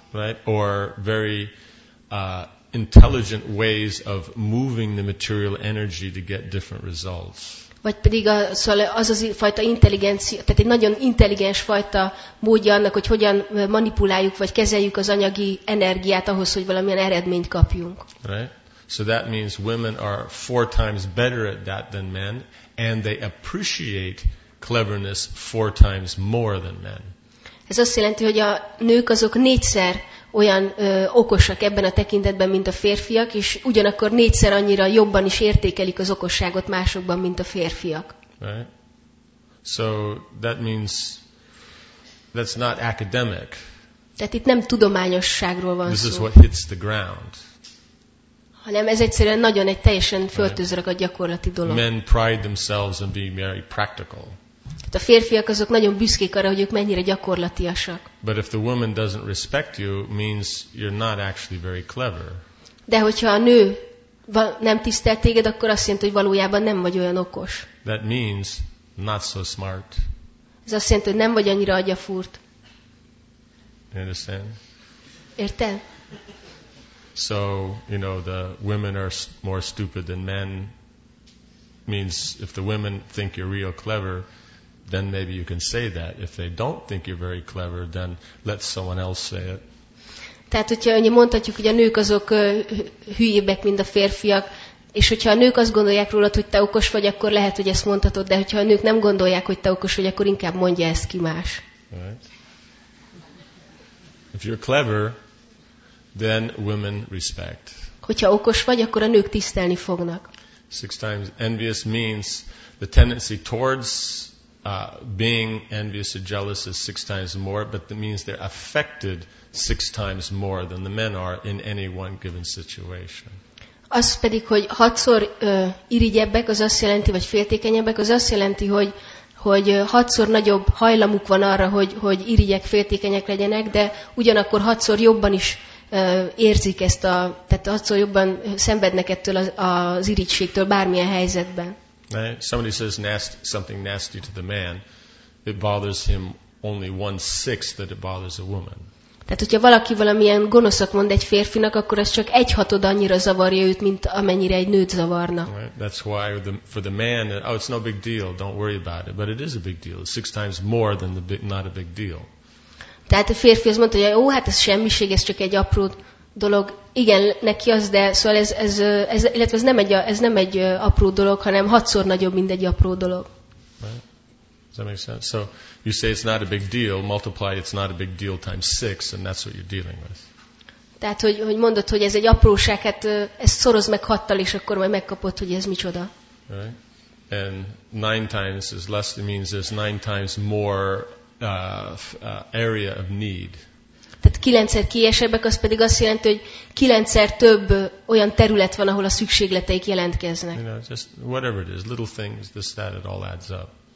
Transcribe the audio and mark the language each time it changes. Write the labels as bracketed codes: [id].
[en] Right? Or very intelligent ways of moving the material energy to get different results. [hu] Vagy pedig az fajta intelligencia, tehát egy nagyon intelligens fajta módja annak, hogy hogyan manipuláljuk vagy kezeljük az anyagi energiát ahhoz, hogy valamilyen eredményt kapjunk. [en] Right. So that means women are four times better at that than men, and they appreciate cleverness four times more than men. [hu] Ez azt jelenti, hogy a nők azok négyszer olyan okosak ebben a tekintetben, mint a férfiak, és ugyanakkor négyszer annyira jobban is értékelik az okosságot másokban, mint a férfiak. [en] Right. So that means that's not academic. [hu] Tehát itt nem tudományosságról van [en] this [hu] szó. [en] This is what hits the ground. [hu] Hanem ez egyszerűen nagyon egy teljesen föltözrög a gyakorlati dolog. [en] Men pride themselves in being very practical. [hu] A férfiak azok nagyon büszkék arra, hogy ők mennyire gyakorlatiasak. [en] But if the woman doesn't respect you, means you're not actually very clever. [hu] De hogyha a nő nem tisztelt téged, akkor azt jelenti, hogy valójában nem vagy olyan okos. [en] That means not so smart. [hu] Ez azt jelenti, hogy nem vagy annyira agyafúrt. [en] Understand? [hu] Érted? [en] So, you know, the women are more stupid than men. Means if the women think you're real clever, then maybe you can say that. If they don't think you're very clever, then let someone else say it. [hu] Tehát, hogyha mondhatjuk, hogy a nők azok hülyébbek, mint a férfiak, és hogyha a nők azt gondolják rólad, hogy te okos vagy, akkor lehet, hogy ezt mondhatod, de hogyha a nők nem gondolják, hogy te okos vagy, akkor inkább mondja ezt ki más. [en] Right. If you're clever, then women respect. [hu] Hogyha okos vagy, akkor a nők tisztelni fognak. [en] Six times envious means the tendency towards being envious or jealous is six times more, but that means they're affected six times more than the men are in any one given situation. [hu] Az pedig, hogy hatszor irigyebbek, az azt jelenti, vagy féltékenyebbek, az azt jelenti, hogy hatszor nagyobb hajlamuk van arra, hogy irigyek, féltékenyek legyenek, de ugyanakkor hatszor jobban is érzik ezt a, tehát hatszor jobban szenvednek ettől az irigységtől bármilyen helyzetben. [en] Right? Somebody says something nasty to the man, it bothers him only 1/6 that it bothers a woman. [hu] Tehát, hogyha valaki valamilyen gonoszat mond egy férfinak, akkor az csak 1/6 annyira zavarja őt, mint amennyire egy nőt zavarna. [en] Right? That's why for the man, oh, it's no big deal, don't worry about it. But it is a big deal. Six times more than the not a big deal. [hu] Tehát a férfi azt mondta, hogy ó, hát ez semmiség, ez csak egy apró dolog. Igen, neki az, de szóval ez illetve ez nem egy apró dolog, hanem hatszor nagyobb, mint egy apró dolog. [en] Does that make sense? So you say it's not a big deal, multiply it's not a big deal times six, and that's what you're dealing with. [hu] Tehát, hogy mondod, hogy ez egy apróság, hát ezt szorozd meg 6-tal, és akkor majd megkapod, hogy ez micsoda. [en] Right. And nine times is less, it means there's nine times more area of need. [hu] Tehát 9-szer kiesebbek, az pedig azt jelenti, hogy 9-szer több olyan terület van, ahol a szükségleteik jelentkeznek. [en] You know, just whatever it is, little things, this, that, it all adds up.